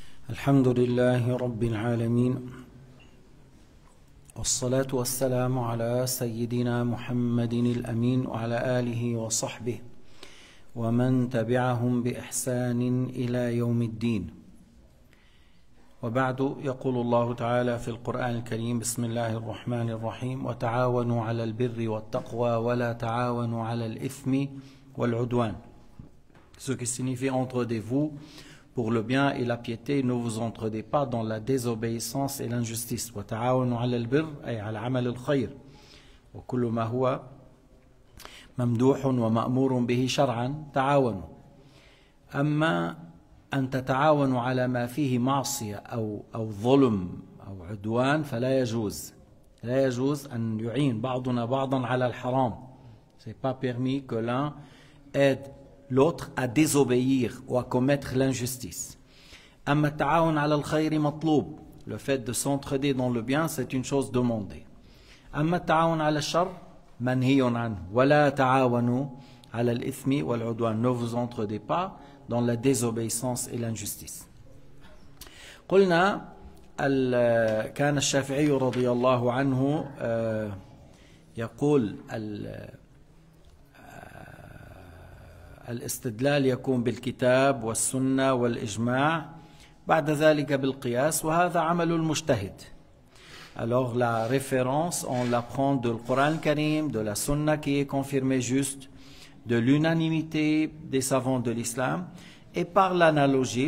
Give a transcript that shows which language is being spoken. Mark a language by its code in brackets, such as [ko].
[ar] الحمد لله رب العالمين، والصلاة والسلام على سيدنا محمد الأمين وعلى آله وصحبه ومن تبعهم بإحسان إلى يوم الدين. وبعد، يقول الله تعالى في القرآن الكريم: بسم الله الرحمن الرحيم، وتعاونوا على البر والتقوى ولا تعاونوا على الإثم والعدوان. [fr] Ce qui signifie entre des vous pour le bien et la piété, ne vous entraidez pas dans la désobéissance et l'injustice. [ar] وتعاونوا على البر أي على عمل الخير وكل ما هو ممدوح ومأمور به شرعا تعاونوا. أما أن تتعاونوا على ما فيه معصية أو ظلم أو عدوان فلا يجوز. لا يجوز أن يعين بعضنا بعضا على الحرام. [fr] C'est pas permis que l'un aide l'autre à désobéir ou à commettre l'injustice. [ar] أما التعاون على الخير مطلوب. [fr] Le fait de s'entraider dans le bien, c'est une chose demandée. [ar] أما التعاون على الشر منهي عنه. ولا تعاونوا على الإثم والعدوان. [fr] Ne vous entraidez pas dans la désobéissance et l'injustice. [ar] قلنا كان الشافعي رضي الله عنه يقول الاستدلال يكون بالكتاب والسنة والإجماع، بعد ذلك بالقياس، وهذا عمل المجتهد. [fr] Alors la référence on la prend de le Coran Karim, de la Sunna qui est confirmée juste, de l'unanimité des savants de l'Islam et par l'analogie.